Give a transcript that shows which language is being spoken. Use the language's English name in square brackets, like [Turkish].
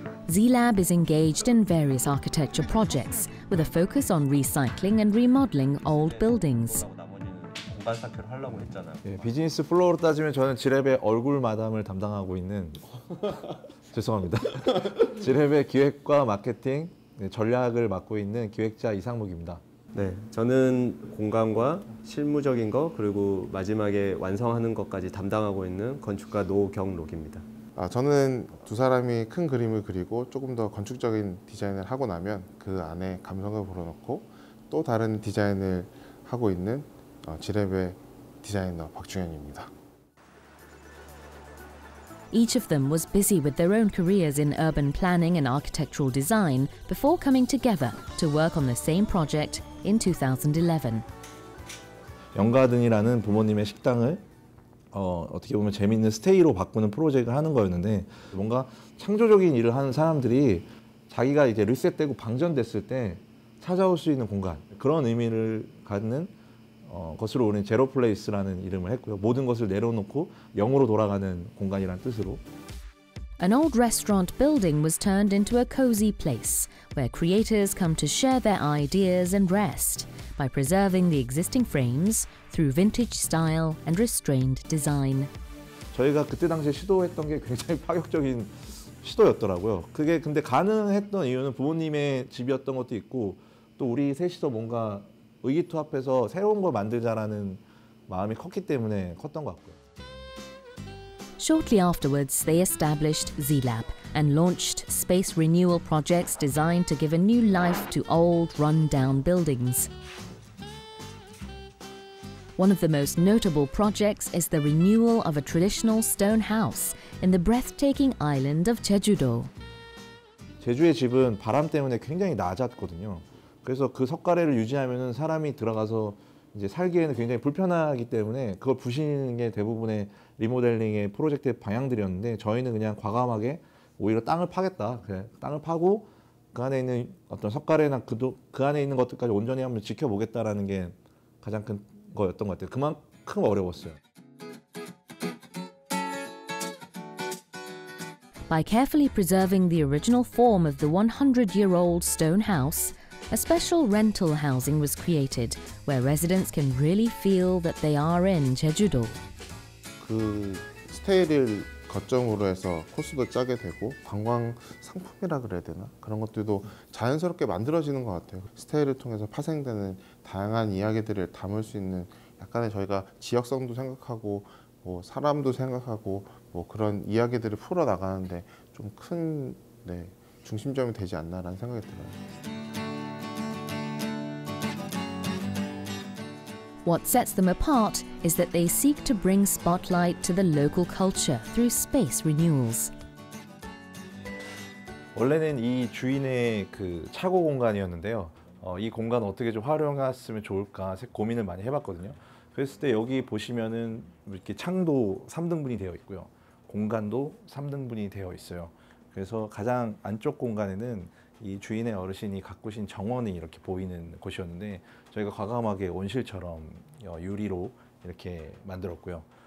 [English] Z-Lab is engaged in various architecture projects with a focus on recycling and remodeling old buildings. [Korean] 공간사태를 하려고 했잖아요. 예, 비즈니스 플로어로 따지면 저는 지랩의 얼굴 마담을 담당하고 있는 죄송합니다. 지랩의 기획과 마케팅 전략을 맡고 있는 기획자 이상목입니다. 네, 저는 공간과 실무적인 거 그리고 마지막에 완성하는 것까지 담당하고 있는 건축가 노경록입니다. 아, 저는 두 사람이 큰 그림을 그리고 조금 더 건축적인 디자인을 하고 나면 그 안에 감성을 불어넣고 또 다른 디자인을 하고 있는 지랩의 디자이너 박중현입니다. [English] Each of them was busy with their own careers in urban planning and architectural design before coming together to work on the same project in 2011. [Korean] 영가든이라는 부모님의 식당을 어떻게 보면 재미있는 스테이로 바꾸는 프로젝트를 하는 거였는데 뭔가 창조적인 일을 하는 사람들이 자기가 이제 리셋되고 방전됐을 때 찾아올 수 있는 공간 그런 의미를 갖는 것으로 우리는 제로 플레이스라는 이름을 했고요. 모든 것을 내려놓고 영으로 돌아가는 공간이란 뜻으로. [English] An old restaurant building was turned into a cozy place where creators come to share their ideas and rest by preserving the existing frames through vintage style and restrained design. [Korean] 저희가 그때 당시에 시도했던 게 굉장히 파격적인 시도였더라고요. 그게 근데 가능했던 이유는 부모님의 집이었던 것도 있고 또 우리 셋이서 뭔가 의기투합해서 새로운 걸 만들자라는 마음이 컸기 때문에 컸던 것 같고요. [English] Shortly afterwards, they established Z-Lab and launched space renewal projects designed to give a new life to old, run-down buildings. One of the most notable projects is the renewal of a traditional stone house in the breathtaking island of Jeju-do. [Korean] 제주의 집은 바람 때문에 굉장히 낮았거든요. 그래서 그 석가래를 유지하면 사람이 들어가서 이제 살기에는 굉장히 불편하기 때문에 그걸 부시는 게 대부분의 리모델링의 프로젝트의 방향들이었는데 저희는 그냥 과감하게 오히려 땅을 파겠다. 그래. 땅을 파고 그 안에 있는 어떤 석가래나 그 안에 있는 것들까지 온전히 한번 지켜보겠다라는 게 가장 큰 거였던 것 같아요. 그만큼 어려웠어요. [English] By carefully preserving the original form of the 100-year-old stone house, a special rental housing was created where residents can really feel that they are in Jeju-do. [Korean] 그 스테이를 거점으로 해서 코스도 짜게 되고 관광 상품이라 그래야 되나? 그런 것들도 자연스럽게 만들어지는 것 같아요. 스테이를 통해서 파생되는 다양한 이야기들을 담을 수 있는 약간의 저희가 지역성도 생각하고 뭐 사람도 생각하고 뭐 그런 이야기들을 풀어 나가는데 좀 큰 네, 중심점이 되지 않나라는 생각이 들어요. [English] What sets them apart is that they seek to bring spotlight to the local culture through space renewals. [Korean] 원래는 이 주인의 그 차고 공간이었는데요. 이 공간 어떻게 좀 활용했으면 좋을까 고민을 많이 해봤거든요. 그랬을 때 여기 보시면은 이렇게 창도 3등분이 되어 있고요. 공간도 3등분이 되어 있어요. 그래서 가장 안쪽 공간에는 이 주인의 어르신이 가꾸신 정원이 이렇게 보이는 곳이었는데 저희가 과감하게 온실처럼 유리로 이렇게 만들었고요.